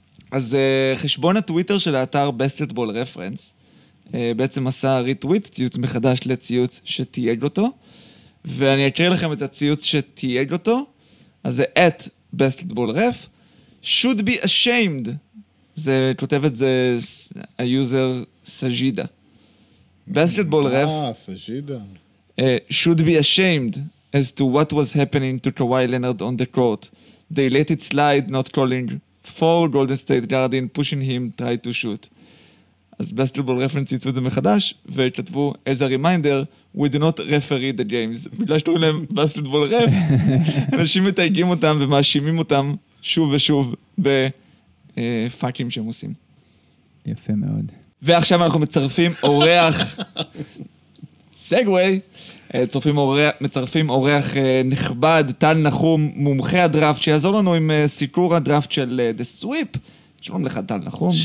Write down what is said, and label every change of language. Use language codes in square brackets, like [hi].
[he] אז חשבון הטוויטר של האתר Basketball Reference בעצם עשה ריטוויט, ציוץ מחדש לציוץ שתייג אותו, ואני אקריא לכם את הציוץ שתייג אותו, אז זה [en] at Basketball Ref, should be ashamed, [he] זה כותב את זה היוזר סג'ידה. [en] Basketball Ref, [he] סג'ידה. [en] Should be ashamed as to what was happening to Kawhi Leonard on the court. They let it slide, not calling, four Golden State Guardian pushing him, tried to shoot. [he] אז בסטלבול רפרנס ייצאו את זה מחדש, וכתבו, [en] as a reminder, we do not referee the games. [he] בגלל שתראו להם בסטלבול רפ, אנשים מתייגים אותם ומאשימים אותם שוב ושוב בפאקים שהם עושים. יפה מאוד. ועכשיו אנחנו מצרפים אורח, סגווי, מצרפים אורח נכבד, טל נחום, מומחה הדראפט, שיעזור לנו עם סיקור הדראפט של The Sweep, שלום לך, טל נחום.